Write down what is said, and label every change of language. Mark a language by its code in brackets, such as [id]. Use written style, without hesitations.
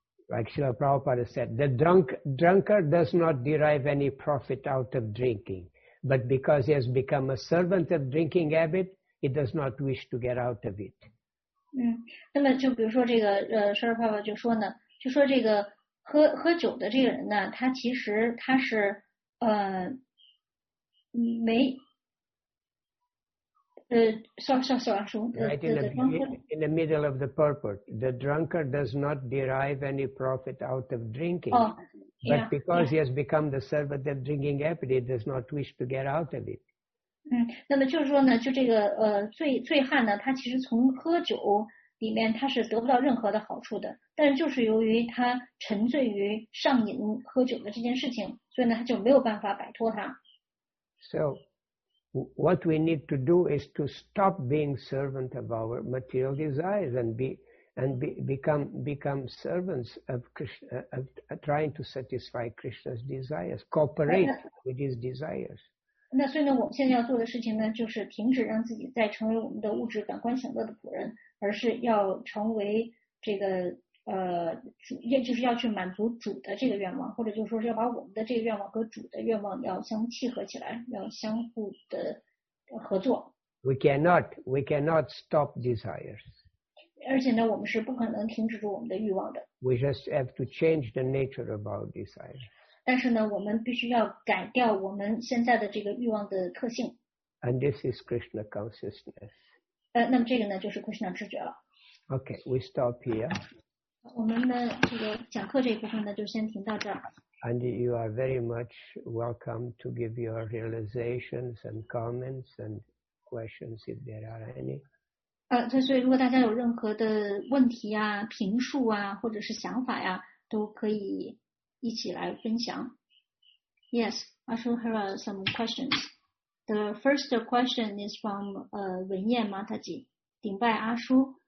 [en] Like Srila Prabhupada said, the drunkard does not derive any profit out of drinking, but because he has become a servant of drinking habit, he does not wish to get out of it. [zh] 嗯，那么就比如说这个Srila Prabhupada就说呢，就说这个喝酒的这个人呢，他其实他是没。 [en] In the middle of the purport, the drunkard does not derive any profit out of drinking. Oh, but yeah, because yeah. he has become the servant of drinking habit, he does not wish to get out of it. [zh] 嗯，那么就是说呢，就这个醉汉呢，他其实从喝酒里面他是得不到任何的好处的。但是就是由于他沉醉于上瘾喝酒的这件事情，所以呢，他就没有办法摆脱他。 [en] So. What we need to do is to stop being servant of our material desires and become servants of Krishna, of trying to satisfy Krishna's desires, cooperate with his desires. [zh] 那所以呢，我们现在要做的事情呢，就是停止让自己再成为我们的物质感官享乐的仆人，而是要成为这个主，也就是要去满足主的这个愿望，或者就是说是要把我们的这个愿望和主的愿望要相契合起来，要相互的合作。 [en] We cannot stop desires. [zh] 而且呢，我们是不可能停止住我们的欲望的。 [en] We just have to change the nature of our desires. [zh] 但是呢，我们必须要改掉我们现在的这个欲望的特性。 [en] And this is Krishna consciousness. [zh] 那么这个呢，就是 Krishna 知觉了。 [en] Okay, we stop here. [zh] 我们的这个讲课这一部分呢，就先停到这儿。 [en] And you are very much welcome to give your realizations and comments and questions if there are any. [zh] 所以如果大家有任何的问题啊、评述啊，或者是想法呀、啊，都可以一起来分享。 [en] Yes, Ashu, here are some questions. The first question is from 文彦 Mataji, 顶拜阿叔。